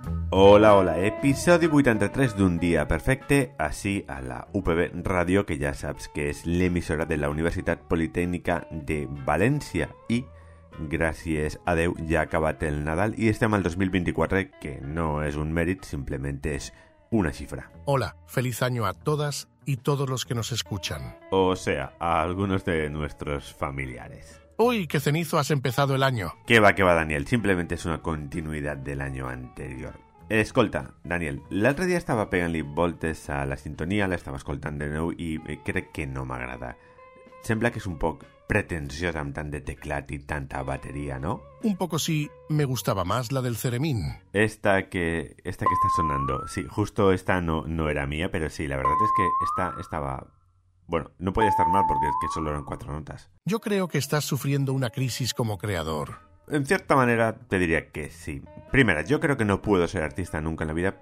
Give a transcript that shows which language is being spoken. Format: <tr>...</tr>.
<ca>Hola, hola, episodio 83 d'Un dia perfecte, així a la UPB Ràdio, que ja saps que és l'emissora de la Universitat Politècnica de València. I gràcies a Déu ja ha acabat el Nadal i estem al 2024, que no és un mèrit, simplement és una xifra.</ca> <es>Hola, feliz año a todas y todos los que nos escuchan. O sea, a algunos de nuestros familiares. ¡Uy, qué cenizo has empezado el año! Qué va, Daniel, simplemente es una continuidad del año anterior.</es> <ca>Escolta, Daniel, l'altre dia estava pegant-li voltes a la sintonia, l'estava escoltant de nou i crec que no m'agrada. Sembla que és un poc pretensiós amb tant de teclat i tanta bateria, no?</ca> <es>Un poco sí, me gustaba más la del Ceremín. Esta que está sonando, sí, justo esta no era mía, pero sí, la verdad es que esta estaba... Bueno, no podía estar mal porque es que solo eran cuatro notas. Yo creo que estás sufriendo una crisis como creador. En cierta manera, te diría que sí. Primera, yo creo que no puedo ser artista nunca en la vida.</es>